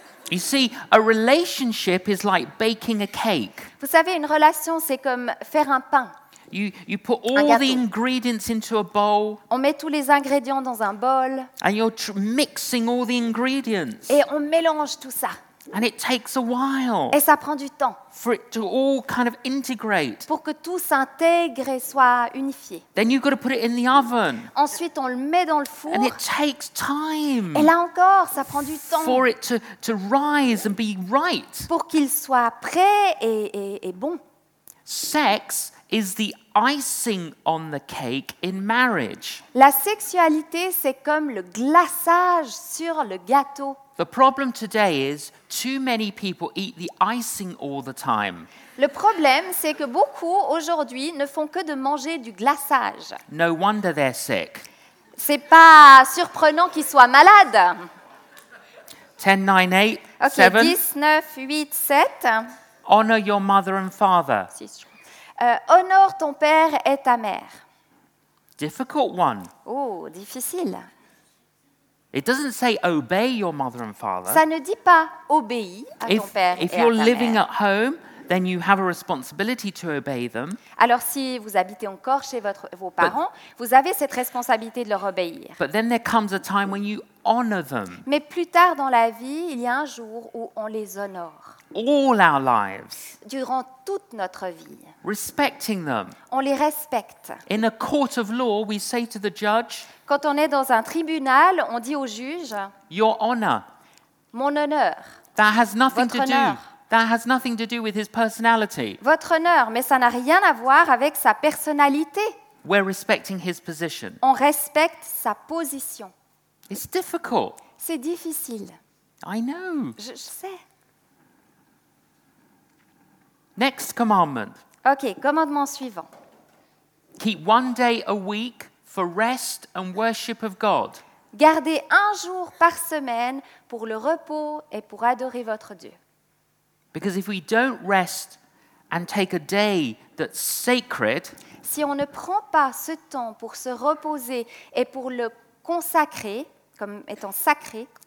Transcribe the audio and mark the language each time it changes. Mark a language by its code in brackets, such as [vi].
[en] You see, a relationship is like baking a cake. [fr] Vous savez, une relation c'est comme faire un pain. [en] You put all the ingredients into a bowl. [fr] On met tous les ingrédients dans un bol. [en] And you're mixing all the ingredients. [fr] Et on mélange tout ça. [en] And it takes a while. [fr] Et ça prend du temps. [en] For it to all kind of integrate. [fr] Pour que tout s'intègre et soit unifié. [en] Then you've got to put it in the oven. [fr] Ensuite, on le met dans le four. [en] And it takes time. [fr] Et là encore, ça prend du temps. [en] For it to rise and be right. [fr] Pour qu'il soit prêt et bon. [en] Sex is the icing on the cake in marriage. [fr] La sexualité, c'est comme le glaçage sur le gâteau. [en] The problem today is too many people eat the icing all the time. [fr] Le problème, c'est que beaucoup aujourd'hui ne font que de manger du glaçage. [en] No wonder they're sick. [fr] C'est pas surprenant qu'ils soient malades. [en] 10, 9, 8, 7. [fr] Ok, 10, 9, 8, 7. [en] Honor your mother and father. [fr] Honore ton père et ta mère. [en] Difficult one. [fr] Oh, difficile. [en] It doesn't say obey your mother and father. [fr] Ça ne dit pas obéis à ton père et à ta mère. [en] If you're living at home, then you have a responsibility to obey them. [fr] Alors si vous habitez encore chez vos parents, vous avez cette responsabilité de leur obéir. [en] But then there comes a time when you honor them. [fr] Mais plus tard dans la vie, il y a un jour où on les honore. [en] All our lives. [fr] Durant toute notre vie. [en] Respecting them. [fr] On les respecte. [en] In a court of law, we say to the judge. [fr] Quand on est dans un tribunal, on dit au juge. [en] Your honor. [fr] Mon honneur. [en] That has nothing to [fr] honneur. [en] Do. That has nothing to do with his personality. [fr] Votre honneur, mais ça n'a rien à voir avec sa personnalité. [en] We're respecting his position. [fr] On respecte sa position. [en] It's difficult. [fr] C'est difficile. [en] I know. [fr] Je sais. [en] Next commandment. [fr] OK, commandement suivant. [en] Keep one day a week for rest and worship of God. [fr] Gardez un jour par semaine pour le repos et pour adorer votre Dieu. [en] Because if we don't rest and take a day that's sacred, [fr] si on ne prend pas ce temps pour se reposer et pour le consacrer comme étant sacré,